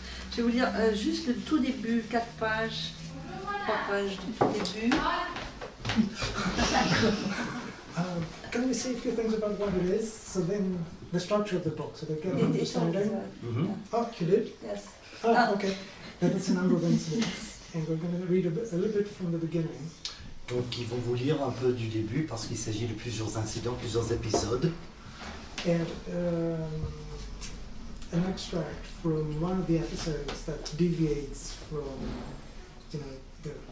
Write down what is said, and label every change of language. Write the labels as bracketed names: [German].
[French] Je vais vous lire juste le tout début, 4 pages, 3 pages du tout début. [English] Can we say a few things about what it is? So then, the structure of the book, so they get an understanding. Mm-hmm. Oh, you did? Yes. Oh, okay. Then it's a number of incidents. And we're going to read a little bit from the beginning. [French] Donc, ils vont vous lire un peu du début, parce qu'il s'agit de plusieurs incidents, plusieurs épisodes. [English] And an extract from one of the episodes that deviates from, you know, the...